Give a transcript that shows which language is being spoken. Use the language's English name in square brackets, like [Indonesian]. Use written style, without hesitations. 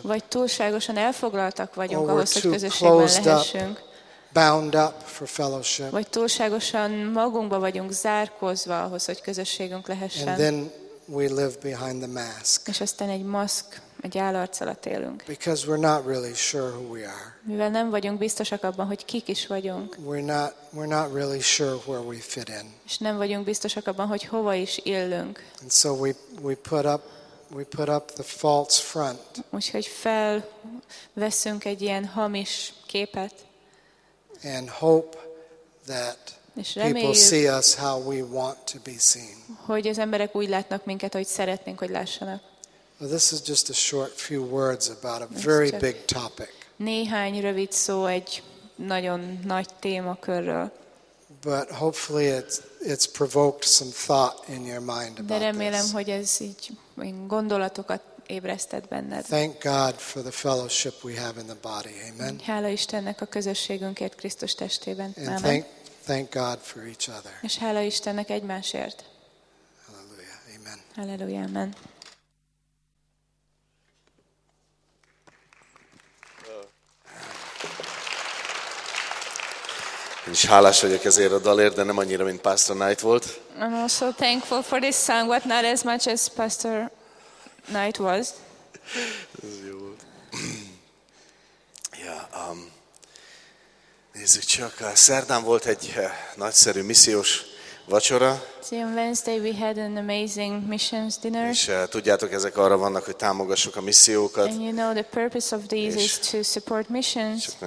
[Hungarian] Vagy túlságosan elfoglaltak vagyunk ahhoz, hogy közösségben lehessünk. [English] Bound up for fellowship. [Hungarian] Vagy túlságosan magunkba vagyunk zárkózva ahhoz, hogy közösségünk lehessen. [English] And then we live behind the mask. [Hungarian] És aztán egy maszk, egy álarc alatt élünk. [English] Because we're not really sure who we are. [Hungarian] Mivel nem vagyunk biztosak abban, hogy kik is vagyunk. [English] We're not really sure where we fit in. [Hungarian] És nem vagyunk biztosak abban, hogy hova is illünk. [English] And so we put up the false front. [Hungarian] Úgyhogy felveszünk egy ilyen hamis képet. [English] And hope that people see us how we want to be seen. [Hungarian] Hogy az emberek úgy látnak minket, ahogy szeretnénk, hogy lássanak. [English] Well, this is just a short few words about a very big topic. [Hungarian] Néhány rövid szó egy nagyon nagy témakörről. [English] But hopefully it's provoked some thought in your mind about this. [Hungarian] De remélem, hogy ez így gondolatokat ébresztett benned. [English] Thank God for the fellowship we have in the body. Amen. [Hungarian] Hála Istennek a közösségünkért Krisztus testében. [English] Amen. And thank God for each other. [Hungarian] És hála Istennek egymásért. Hallelujah. Amen. Hallelujah. Amen. Én is hálás vagyok ezért a dalért, de nem annyira, mint Pastor Knight volt. [English] I'm also thankful for this song, but not as much as Pastor Night was. [Hungarian] Ez jó volt. Ja, nézzük csak, szerdán volt egy nagyszerű missziós vacsora. [English] See, on Wednesday we had an amazing missions dinner. [Hungarian] És tudjátok, ezek arra vannak, hogy támogassuk a missziókat. [English] And you know the purpose of these is to support missions.